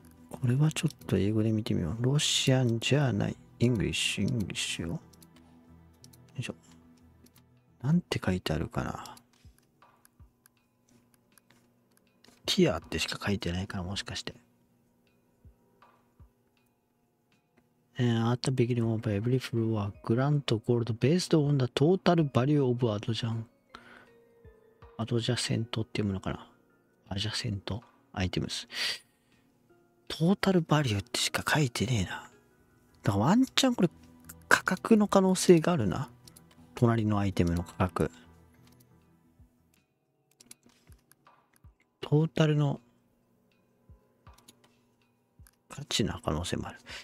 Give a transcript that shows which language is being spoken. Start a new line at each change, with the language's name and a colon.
Japanese: これはちょっと英語で見てみよう。ロシアンじゃない、イングリッシュ、イングリッシュよ。よいしょ。なんて書いてあるかな。ティアってしか書いてないから、もしかして。
English: At the beginning of every floor, grant gold based on the total value of adjacent.
Japanese: Adjacent って読むのかな。
English: Adjacent items. Total value
Japanese: ってしか書いてねえな。だからワンチャンこれ価格の可能性があるな。隣のアイテムの価格、トータルの価値な可能性もある。